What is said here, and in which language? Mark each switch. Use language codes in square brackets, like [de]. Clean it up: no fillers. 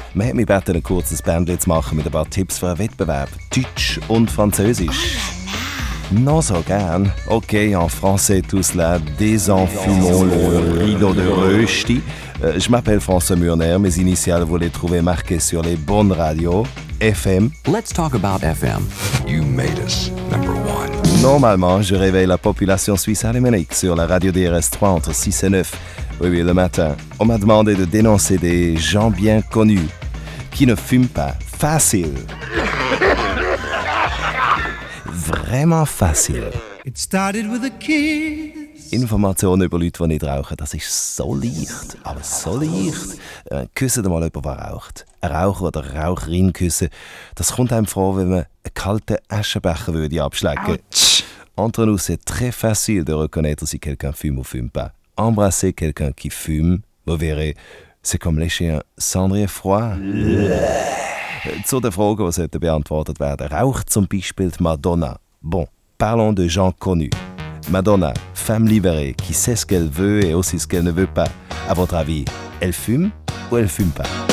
[de] Man hat mich gebeten, ein kurzes Bändchen zu machen mit ein paar Tipps für einen Wettbewerb. Deutsch und Französisch. Noch so gern. [en] Okay, [fr] en français tout cela, désenfumons le rideau de rösti. Je m'appelle François Murner, mes initiales vous les trouvez marquées sur les bonnes radios, FM. [en] Let's talk about FM. You made us number one. [fr] Normalement, je réveille la population suisse alémanique sur la radio DRS3 entre 6 et 9. Oui, le matin, on m'a demandé de dénoncer des gens bien connus qui ne fument pas. Facile. Vraiment facile. [en] It started with a kiss. [de] Informationen über Leute, die nicht rauchen, das ist so leicht, aber so leicht. Küssen mal jemanden, der raucht. Ein Raucher oder eine Raucherin küssen, das kommt einem vor, wenn man einen kalten Aschenbecher würde abschlecken. Autsch. [fr] Entre nous, c'est très facile de reconnaître si quelqu'un fume ou fume pas. Embrasser quelqu'un qui fume, vous verrez, c'est comme lécher un cendrier froid. [de] Zu den Fragen, die sollten beantwortet werden. Raucht zum Beispiel Madonna? [fr] Bon, parlons de gens connus. Madonna, femme libérée, qui sait ce qu'elle veut et aussi ce qu'elle ne veut pas. À votre avis, elle fume ou elle fume pas?